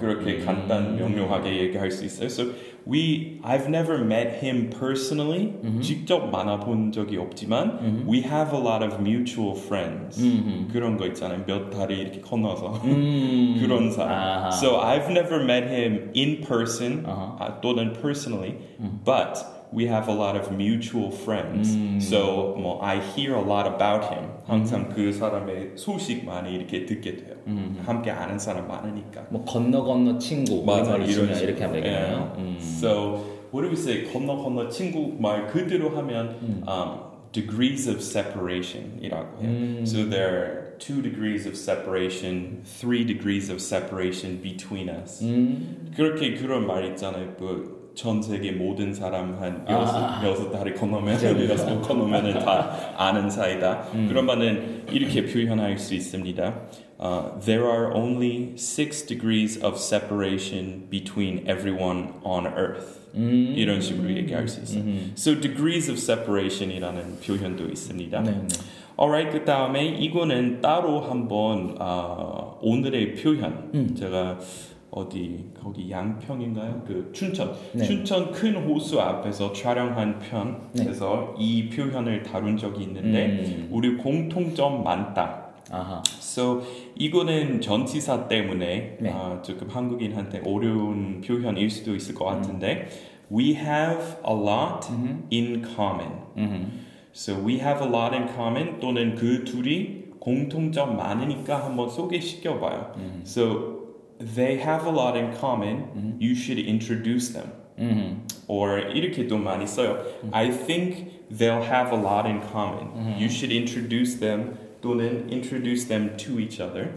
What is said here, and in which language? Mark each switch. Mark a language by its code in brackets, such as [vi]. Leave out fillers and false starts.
[ko] 그렇게 간단 명료하게 얘기할 수 있어요. [en] So I've never met him personally [ko] 직접 만나본 적이 없지만 [en] we have a lot of mutual friends [ko] 그런 거 있잖아요. 몇 다리 이렇게 건너서 그런 사람. [en] So I've never met him in person 또는 personally. But we have a lot of mutual friends. So well, I hear a lot about him. [ko] 항상 그 사람의 소식 많이 이렇게 듣게 돼요. 함께 아는 사람 많으니까. 뭐 건너 건너 친구. 맞아 이런 식으로 이렇게 하면 되겠네요. [en] Yeah. So what do we say? [ko] 건너 건너 친구 말 그대로 하면 [en] degrees of separation이라고 해요. So there are 2 degrees of separation, 3 degrees of separation between us. [ko] 그렇게 그런 말 있잖아요. 그, 전 세계 모든 사람 한 여섯 다리 건너면 여섯 건너면은 다 아는 사이다. 그러면은 이렇게 표현할 수 있습니다. [en] There are only 6 degrees of separation between everyone on Earth. [ko] 이런 식으로 얘기할 수 있어요. So degrees of separation이라는 표현도 있습니다. 네. Alright, 그 다음에 이거는 따로 한번 오늘의 표현 제가 어디 거기 양평인가요? 그 춘천 네. 춘천 큰 호수 앞에서 촬영한 편에서 네. 이 표현을 다룬 적이 있는데 우리 공통점 많다. 아하. So 이거는 전치사 때문에 네. 조금 한국인한테 어려운 표현일 수도 있을 것 같은데 [en] we have a lot in common. So we have a lot in common [ko] 또는 그 둘이 공통점 많으니까 한번 소개시켜봐요. [en] So they have a lot in common. You should introduce them. mm-hmm. [ko] or 이렇게 또 많이 써요. Mm-hmm. [en] I think they'll have a lot in common. Mm-hmm. You should introduce them 또는 introduce them to each other.